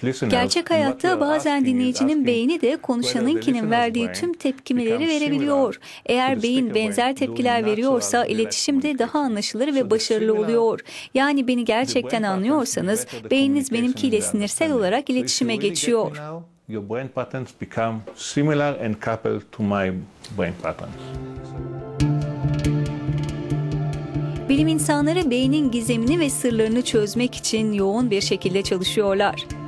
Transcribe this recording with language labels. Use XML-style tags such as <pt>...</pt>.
<tr>Gerçek hayatta bazen dinleyicinin beyni de konuşanınkinin verdiği tüm tepkimeleri verebiliyor. Eğer beyin benzer tepkiler veriyorsa iletişim de daha anlaşılır ve başarılı oluyor. Yani beni gerçekten anlıyorsanız beyniniz benimkiyle sinirsel olarak iletişime geçiyor.</tr> <en>Your brain patterns become similar and coupled to my brain patterns.</en> <tr>Bilim insanları beynin gizemini ve sırlarını çözmek için yoğun bir şekilde çalışıyorlar.</tr>